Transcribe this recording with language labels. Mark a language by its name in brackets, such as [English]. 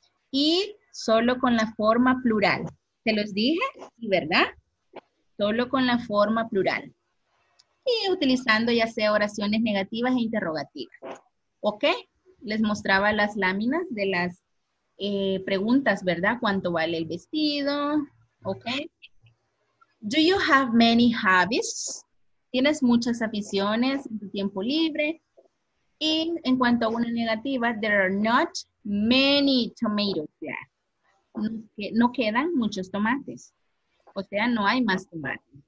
[Spanish] Y solo con la forma plural. ¿Se los dije? Sí, ¿verdad? Solo con la forma plural. Y utilizando ya sea oraciones negativas e interrogativas. ¿Ok? Les mostraba las láminas de las preguntas, ¿verdad? ¿Cuánto vale el vestido? ¿Ok? [English] Do you have many hobbies? [Spanish] ¿Tienes muchas aficiones en tu tiempo libre? Y en cuanto a una negativa, [English] there are not many tomatoes there. [Spanish] No quedan muchos tomates. O sea, no hay más tomates.